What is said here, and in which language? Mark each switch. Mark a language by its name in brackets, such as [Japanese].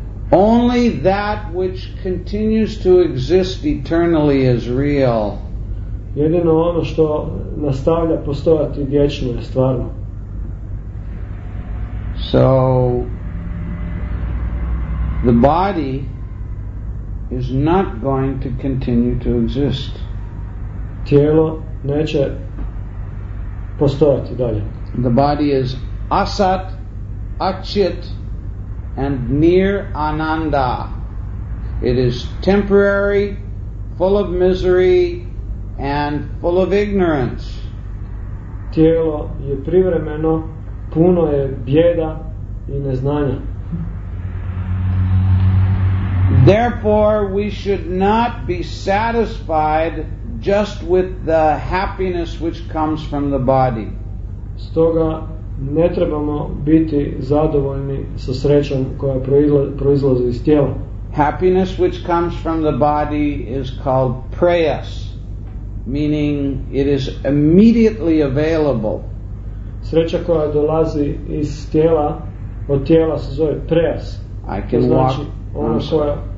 [English] Only that which continues to exist eternally is real. [Croatian] Jedino ono što nastavlja postojati vječno je stvarno. [English] So the body is not going to continue to exist. [Croatian] Tijelo neće postojati dalje. [English] The body is asat, achit, and nir ananda. It is temporary, full of misery, and full of ignorance. [Croatian] Tijelo je privremeno, puno je bijeda i neznanja. [English] Therefore, we should not be satisfied just with the happiness which comes from the body. [Croatian] Stoga ne trebamo biti zadovoljni sa srećom koja proizlazi iz tijela. [English] Happiness which comes from the body is called prayas, meaning it is immediately available. [Croatian] Sreća koja dolazi iz tijela, od tijela se zove prejas. [English] I can [Croatian] znači [English] walk,